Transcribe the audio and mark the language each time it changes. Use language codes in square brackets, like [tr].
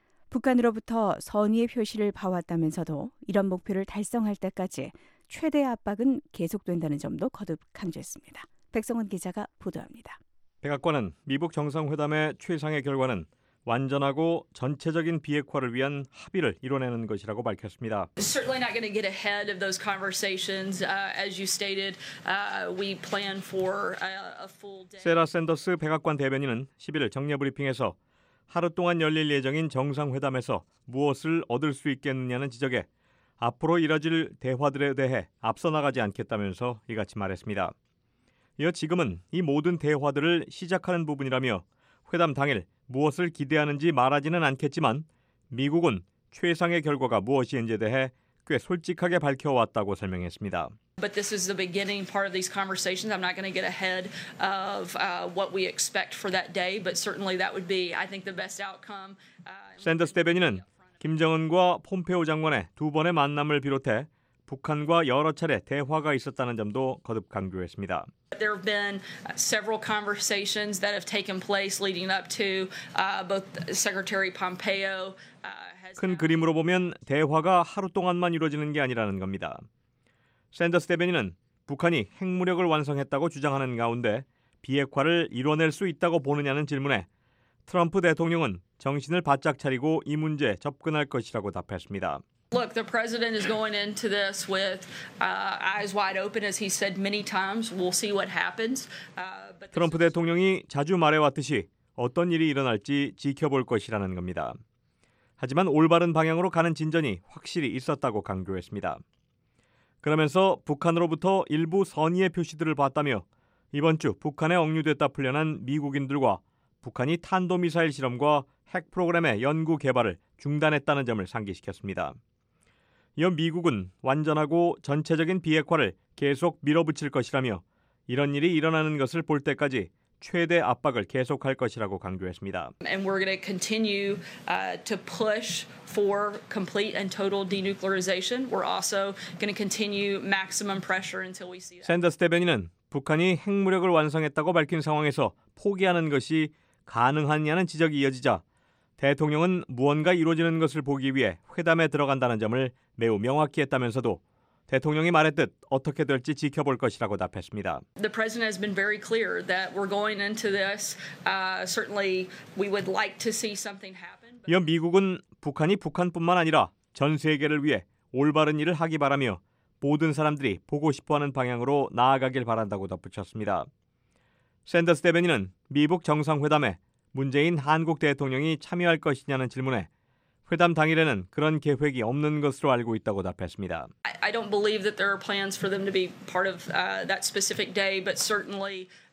[ko] 북한으로부터 선의의 표시를 봐왔다면서도 이런 목표를 달성할 때까지 최대 압박은 계속된다는 점도 거듭 강조했습니다. 백성원 기자가 보도합니다. 백악관은 미북 정상회담의 최상의 결과는 완전하고 전체적인 비핵화를 위한 합의를 이뤄내는 것이라고 밝혔습니다. [en] Certainly not going to get ahead of those conversations. As you stated, we plan for a full day. [ko] 세라 샌더스 백악관 대변인은 11일 정례 브리핑에서 하루 동안 열릴 예정인 정상회담에서 무엇을 얻을 수 있겠느냐는 지적에 앞으로 이뤄질 대화들에 대해 앞서 나가지 않겠다면서 이같이 말했습니다. 이어 지금은 이 모든 대화들을 시작하는 부분이라며 회담 당일 무엇을 기대하는지 말하지는 않겠지만 미국은 최상의 결과가 무엇인지에 대해 꽤 솔직하게 밝혀왔다고 설명했습니다. [en] But this is the beginning part of these conversations. I'm not going to get ahead of what we expect for that day, but certainly that would be, I think, the best outcome. [ko] 샌더스 대변인은 김정은과 폼페오 장관의 두 번의 만남을 비롯해 북한과 여러 차례 대화가 있었다는 점도 거듭 강조했습니다. [en] There have been several conversations that have taken place leading up to both Secretary Pompeo. [ko] 큰 그림으로 보면 대화가 하루 동안만 이루어지는 게 아니라는 겁니다. 샌더스 대변인은 북한이 핵무력을 완성했다고 주장하는 가운데 비핵화를 이뤄낼 수 있다고 보느냐는 질문에 트럼프 대통령은 정신을 바짝 차리고 이 문제에 접근할 것이라고 답했습니다. [en] Look, the president is going into this with eyes wide open, as he said many times. We'll see what happens. [ko] 트럼프 대통령이 자주 말해왔듯이 어떤 일이 일어날지 지켜볼 것이라는 겁니다. 하지만 올바른 방향으로 가는 진전이 확실히 있었다고 강조했습니다. 그러면서 북한으로부터 일부 선의의 표시들을 봤다며 이번 주 북한에 억류됐다 풀려난 미국인들과 북한이 탄도미사일 실험과 핵 프로그램의 연구 개발을 중단했다는 점을 상기시켰습니다. 이어 미국은 완전하고 전체적인 비핵화를 계속 밀어붙일 것이라며 이런 일이 일어나는 것을 볼 때까지 최대 압박을 계속할 것이라고 강조했습니다. [en] And we're going to continue to push for complete and total denuclearization. We're also going to continue maximum pressure until we see that. [ko] 샌더스 대변인은 북한이 핵무력을 완성했다고 밝힌 상황에서 포기하는 것이 가능하냐는 지적이 이어지자 대통령은 무언가 이루어지는 것을 보기 위해 회담에 들어간다는 점을 매우 명확히 했다면서도 대통령이 말했듯 어떻게 될지 지켜볼 것이라고 답했습니다. [en] The president has been very clear that we're going into this. Certainly, we would like to see something happen. [ko] 이어 미국은 북한이 북한뿐만 아니라 전 세계를 위해 올바른 일을 하기 바라며 모든 사람들이 보고 싶어하는 방향으로 나아가길 바란다고 덧붙였습니다. 샌더스 대변인은 미북 정상회담에 문재인 한국 대통령이 참여할 것이냐는 질문에 회담 당일에는 그런 계획이 없는 것으로 알고 있다고 답했습니다. [en] I don't believe that there are plans for them to be part of that specific day, but certainly.